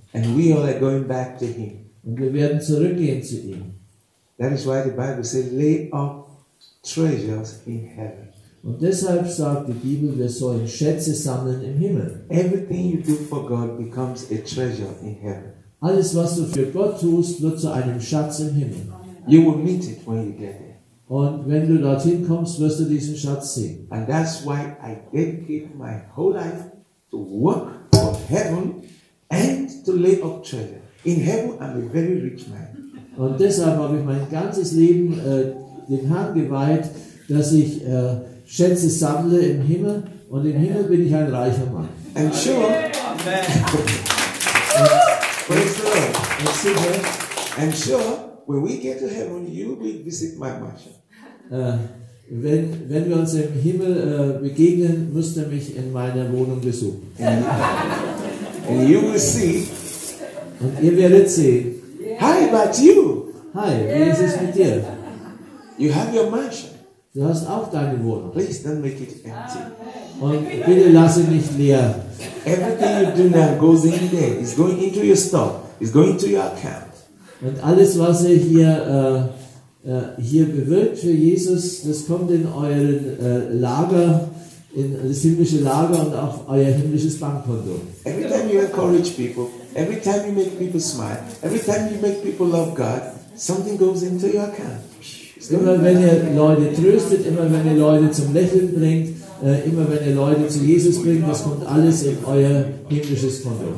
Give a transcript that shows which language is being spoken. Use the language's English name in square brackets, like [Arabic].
[English] And we all are going back to him. [German] Und wir werden zurückgehen zu ihm. [English] That is why the Bible says, lay up treasures in heaven. [German] Und deshalb sagt die Bibel, wir sollen Schätze sammeln im Himmel. [English] Everything you do for God becomes a treasure in heaven. [German] Alles, was du für Gott tust, wird zu einem Schatz im Himmel. [English] You will meet it when you get there. [German] Und wenn du dorthin kommst, wirst du diesen Schatz sehen. [English] And that's why I dedicate my whole life to work for heaven and to lay up treasure. In heaven, I'm a very rich man. [German] Und deshalb habe ich mein ganzes Leben dem Herrn geweiht, dass ich Schätze sammle im Himmel, und im Himmel bin ich ein reicher Mann. [English] And sure. Praise the Lord. And sure. And sure. When we get to heaven, you will visit my mansion. [German] Wenn wir uns im Himmel begegnen, müsst ihr mich in meiner Wohnung besuchen. [English] And you will see. [German] Und ihr werdet sehen. [English] Yeah. Hi, about you. Hi, yeah. [German] Wie ist es mit dir? [English] You have your mansion. [German] Du hast auch deine Wohnung. [English] Please don't make it empty. [German] Und bitte lass ihn nicht leer. [English] Everything you do now goes in there. It's going into your stock. It's going to your account. [German] Und alles, was ihr hier bewirkt für Jesus, das kommt in euren Lager, in das himmlische Lager und auf euer himmlisches Bankkonto. [English] Every time you encourage people, every time you make people smile, every time you make people love God, something goes into your account. [German] Immer wenn ihr Leute tröstet, immer wenn ihr Leute zum Lächeln bringt, immer wenn ihr Leute zu Jesus bringt, das kommt alles in euer himmlisches Konto.